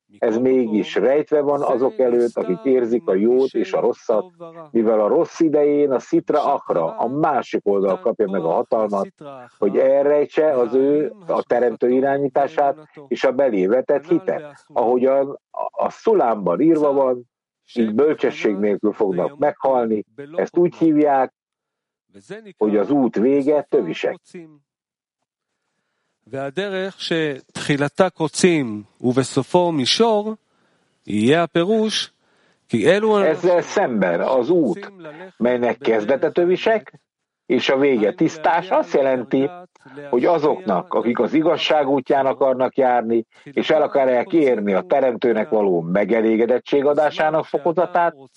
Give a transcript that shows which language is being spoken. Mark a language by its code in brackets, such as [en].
[hu] ez mégis rejtve van azok előtt, akik érzik a jót és a rosszat, mivel a rossz idején a szitra akra, a másik oldal kapja meg a hatalmat, hogy elrejtse az ő a teremtő irányítását és a belé vetett hitet, ahogyan a szulámban írva van, így bölcsesség nélkül fognak meghalni, ezt úgy hívják, hogy az út vége tövisek. [he] והדרך שתחילתה קוצים ובסופו מישור יהיה הפירוש כי אלו [hu] ezzel szemben az út, melynek kezdete tövisek, és a vége tisztás, azt jelenti, hogy azoknak, akik az igazság útján akarnak járni, és el akarják érni a teremtőnek való megelégedettség adásának fokozatát,